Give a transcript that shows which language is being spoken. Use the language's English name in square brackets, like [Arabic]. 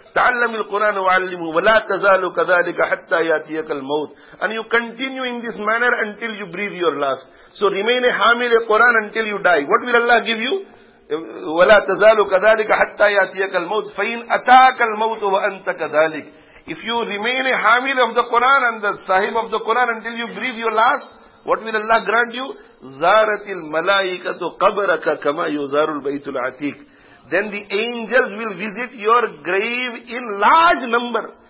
[Arabic] تعلم القرآن وعلمه ولا تزال كذلك حتى يأتيك الموت. [English] And you continue in this manner until you breathe your last. So remain a hamil a Quran until you die. What will Allah give you? [Arabic] ولا تزال كذلك حتى يأتيك الموت. فإن أتاك الموت وأنت كذلك. [English] If you remain a hamil of the Quran and the sahib of the Quran until you breathe your last, what will Allah grant you? [Arabic] زارت الملائكة قبرك كما يزار البيت العتيق. [English] Then the angels will visit your grave in large number.